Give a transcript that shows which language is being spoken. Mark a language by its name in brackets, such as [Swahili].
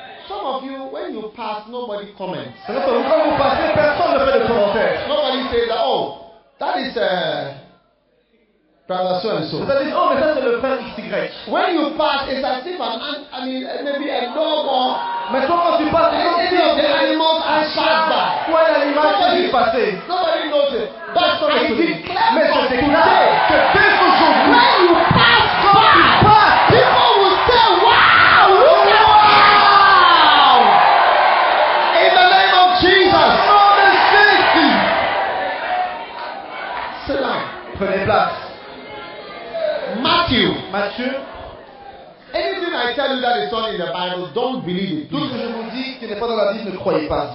[English] Some of you, when you pass, nobody comments. [French] Certains quand vous passez, personne ne fait de commentaires. [English] Nobody says that. Oh, that is a so and so. [French] Dit, oh, mais ça c'est le frère XY. [English] When you pass, it's as if an, I mean, maybe a dog or. [French] Mais toi quand tu passes, [English] any of the animals I pass by. [French] Quoi l'animal qui est passé? [English] Nobody knows it. But so I declare, [French] mais je déclare que dès aujourd'hui, [English] when you pass, [French] quand tu passes, [English] people will say, wow, look at wow. In the name of Jesus. [French] Oh, c'est là. Prenez place. [English] Matthieu, anything I tell you that is not in the Bible, don't believe it. [French] Tout ce que je vous dis qui n'est pas dans la Bible, ne croyez pas.